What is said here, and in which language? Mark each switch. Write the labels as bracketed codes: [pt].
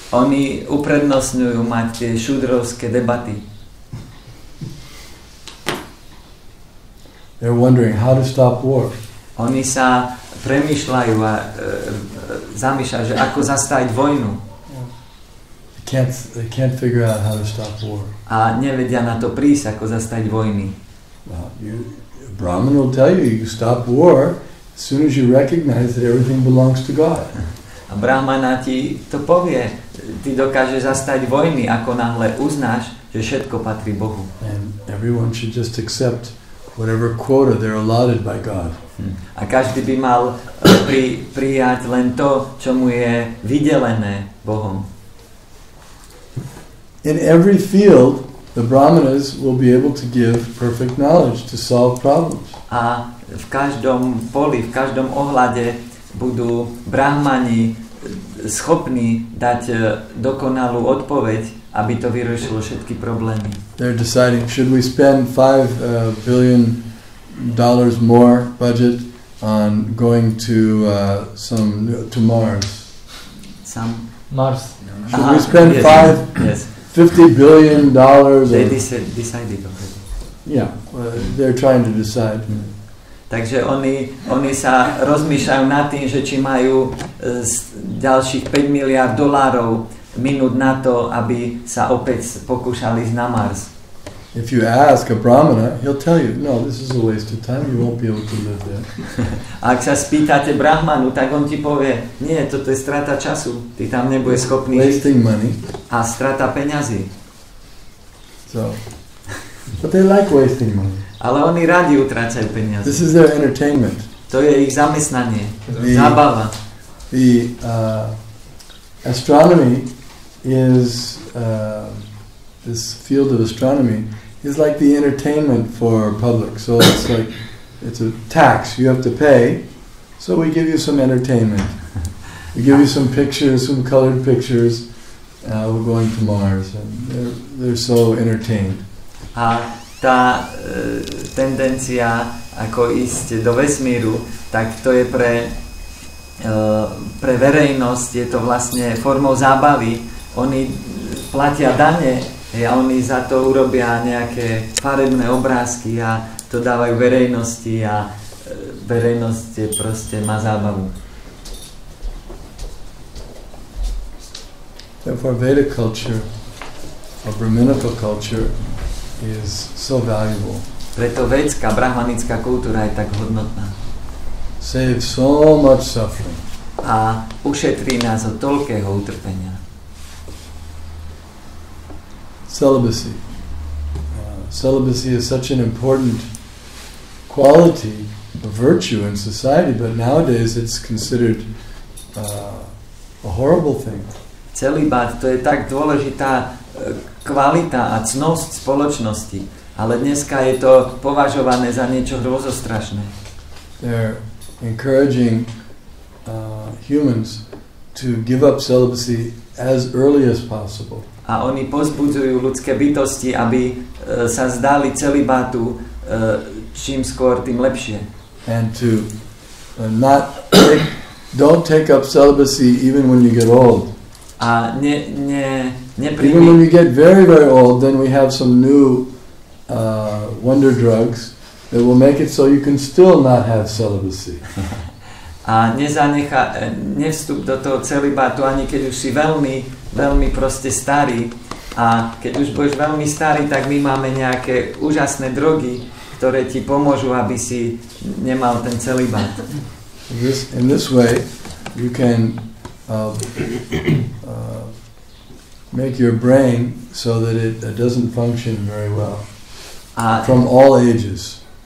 [sk] Oni uprednostňujú mať tie šudrovské debaty. [en] They're wondering how to stop war. [sk] Oni sa premýšľajú a zamýšľajú, že ako zastaviť vojnu. [en] They can't figure out how to stop war. [sk] A nevedia na to prísť, ako zastaviť vojny. [en] Brahman will tell you, you stop war as soon as you recognize that everything belongs to God. [sk] A brahmana ti to povie, ty dokážeš zastaviť vojny, ako náhle uznáš, že všetko patrí Bohu. [en] And everyone should just accept whatever quota they're allotted by God. [sk] A každý by mal prijať len to, čo mu je vydelené Bohom. [en] In every field, the brahmanas will be able to give perfect knowledge to solve problems. [sk] A v každom poli, v každom ohľade budú brahmani schopní dať dokonalú odpoveď, aby to vyriešilo všetky problémy. [en] They're deciding, should we spend $5 billion more budget on going to Mars? Some Mars. Should we spend $50 billion? They decided already. Yeah, they're trying to decide. [sk] Takže oni sa rozmýšľajú nad tým, že či majú z ďalších 5 miliard dolárov minút na to, aby sa opäť pokúšali ísť na Mars. [en] If you ask a brahmana, he'll tell you, no, this is a waste of time, you won't be able to live there. [sk] Ak sa spýtate brahmanu, tak on ti povie, nie, toto je strata času, ty tam nebudeš schopný žiť. [en] Wasting money. [sk] A strata peňazí. [en] So, but they like wasting money. [sk] Ale oni radi utrácajú peniaze. [en] This is their entertainment. [sk] To je ich zamestnanie, zábava. [en] The astronomy is this field of astronomy is like the entertainment for public. So it's like it's a tax you have to pay. So we give you some entertainment. We give you some pictures, some colored pictures. We're going to Mars, and they're so entertained. [sk] A tá tendencia ako ísť do vesmíru, tak to je pre verejnosť, je to vlastne formou zábavy. Oni platia dane a oni za to urobia nejaké farebné obrázky a to dávajú verejnosti a verejnosť je proste má zábavu. [en] Therefore Vedic culture or Brahminical culture is so valuable. [sk] Preto vedská brahmanická kultúra je tak hodnotná. [en] Save so much suffering. [sk] A ušetrí nás od toľkého utrpenia. [en] Celibacy. Celibacy is such an important quality, a virtue in society, but nowadays it's considered a horrible thing. [sk] Celibát, to je tak dôležitá kvalita a cnosť spoločnosti, ale dneska je to považované za niečo hrozostrašné. [en] They're encouraging humans to give up celibacy as early as possible. [sk] A oni pozbudzujú ľudské bytosti, aby sa zdali celibátu čím skôr, tým lepšie. [en] And to not don't take up celibacy even when you get old. [sk] A neprijmi. [en] Even when you get very, very old, then we have some new wonder drugs that will make it so you can still not have celibacy. [sk] A nevstup do toho celibátu, ani keď už si veľmi, veľmi proste starý. A keď už budeš veľmi starý, tak my máme nejaké úžasné drogy, ktoré ti pomôžu, aby si nemal ten celibát. [en] In this way, you can make your brain so that it doesn't function very well from all ages.